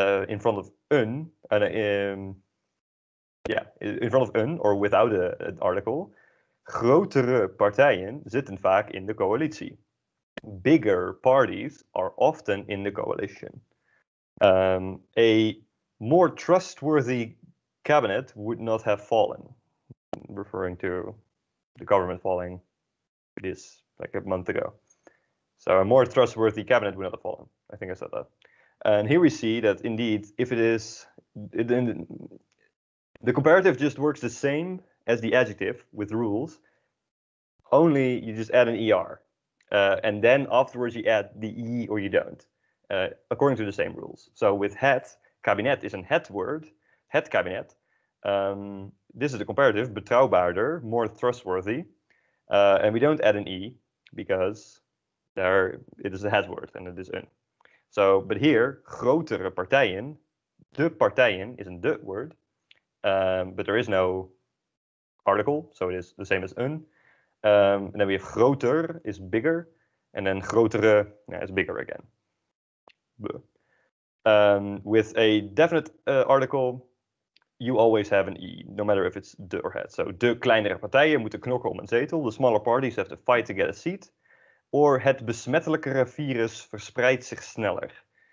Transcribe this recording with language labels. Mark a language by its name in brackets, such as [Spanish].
[English] In front of een or without an article, [Dutch] grotere partijen zitten vaak in de coalitie. [English] Bigger parties are often in the coalition. A more trustworthy cabinet would not have fallen, referring to the government falling this like a month ago. So a more trustworthy cabinet would not have fallen. I think I said that. And here we see that indeed, if it is, the comparative just works the same as the adjective with rules, only you just add an ER. And then afterwards you add the E or you don't, according to the same rules. So with het, kabinet is een het word, het kabinet. This is a comparative, betrouwbaarder, more trustworthy. And we don't add an E because it is a het word and it is een. So, but here, [Dutch] grotere partijen, [English] de partijen is een de word, but there is no article, so it is the same as een. And then we have groter is bigger, and then grotere is bigger again. With a definite article, you always have an E, no matter if it's de or het. So [Dutch] de kleinere partijen moeten knokken om een zetel. [English] The smaller parties have to fight to get a seat. [Dutch] Or het besmettelijkere virus verspreidt zich sneller.